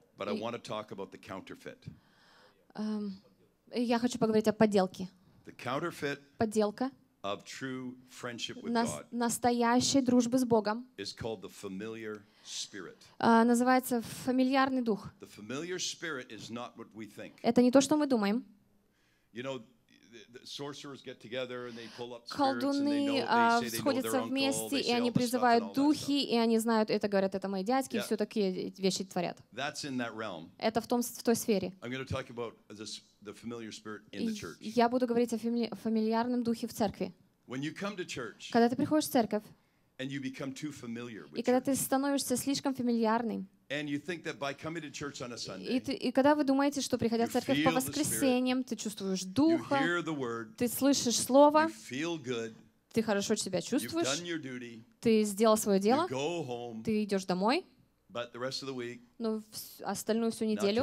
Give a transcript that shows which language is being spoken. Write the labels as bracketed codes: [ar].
[en] But I want to talk about the counterfeit. [ru] Я хочу поговорить о подделке. [en] The counterfeit [ru] подделка [en] of true friendship with [ru] настоящей дружбы с Богом [en] is called the familiar spirit. [ru] Называется фамильярный дух. [en] The familiar spirit is not what we think. [ru] Это не то, что мы думаем. [en] You know, the sorcerers get together and they pull up spirits. [ru] Колдуны сходятся вместе, и они призывают духи, и они знают, это говорят, это мои дядьки, и все такие вещи творят. [en] That's in that realm. [ru] Это в том, в той сфере. [en] I'm going to talk about this, the familiar spirit in the church. [ru] Я буду говорить о фамильярном духе в церкви. [en] When you come to church, [ru] когда ты приходишь в церковь, [en] and you become too familiar with [ru] и когда ты становишься слишком фамильярным, [en] and you think that by coming to church on a Sunday, [ru] и когда вы думаете, что приходя в церковь по воскресеньям, ты чувствуешь духа, [en] you hear the word, [ru] ты слышишь слово, [en] you feel good, [ru] ты хорошо себя чувствуешь, [en] you've done your duty, [ru] ты сделал свое дело, [en] you go home, [ru] ты идешь домой, [en] but the rest of the week, [ru] но остальную всю неделю